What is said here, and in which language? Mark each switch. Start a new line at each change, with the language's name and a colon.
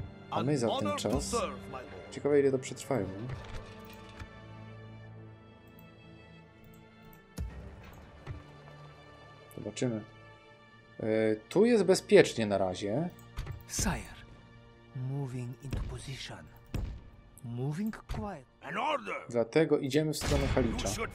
Polish: A my za ten czas... Ciekawe, ile to przetrwają. Zobaczymy. Tu jest bezpiecznie na razie.
English: Sire, moving into position. Moving quiet.
Polish: Dlatego idziemy w stronę Halicza.